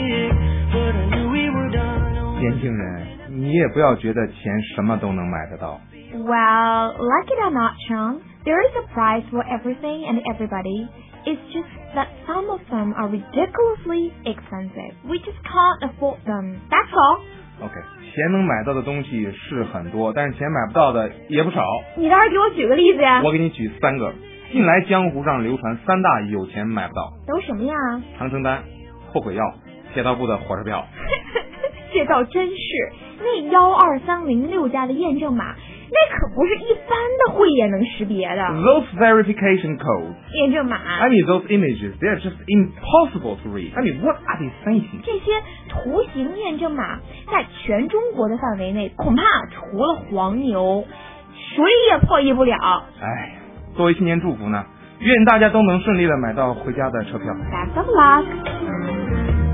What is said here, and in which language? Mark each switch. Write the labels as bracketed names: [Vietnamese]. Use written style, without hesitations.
[Chinese] 年轻人，你也不要觉得钱什么都能买得到。 [English] Well, like it or not, Sean, there is a price for everything and everybody. It's just that some of them are ridiculously expensive. We just can't afford them. That's all. [Chinese] Okay, 钱能买到的东西是很多，但是钱买不到的也不少。你倒是给我举个例子呀。我给你举三个。近来江湖上流传三大有钱买不到。都什么呀？长城丹、后悔药、铁道部的火车票。这倒真是，那12306家的验证码。那可不是一般的慧眼能识别的。 [English] Those verification codes. [Chinese] 验证码。 [English] I mean those images, they're just impossible to read. I mean, what are they thinking? [Chinese] 这些图形验证码在全中国的范围内恐怕除了黄牛谁也破译不了。哎，作为新年祝福呢，愿大家都能顺利的买到回家的车票。 [English] Best of luck.